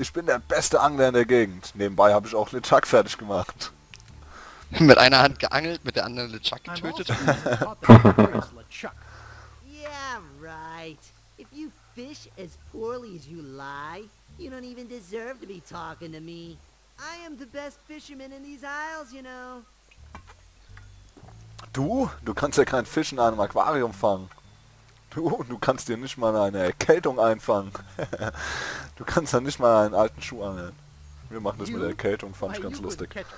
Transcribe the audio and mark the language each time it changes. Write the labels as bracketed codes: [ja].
[de] ich bin der beste Angler in der Gegend. Nebenbei habe ich auch LeChuck fertig gemacht. Mit einer Hand geangelt, mit der anderen LeChuck getötet. [en] Yeah, right. If you fish as poorly as you lie, you don't even deserve to be talking to me. I am the best fisherman in these isles, you know. [de] Du? Du kannst ja keinen Fisch in einem Aquarium fangen. Du kannst dir nicht mal eine Erkältung einfangen. Du kannst ja nicht mal einen alten Schuh angeln. Wir machen das mit der Erkältung, fand ich ganz lustig.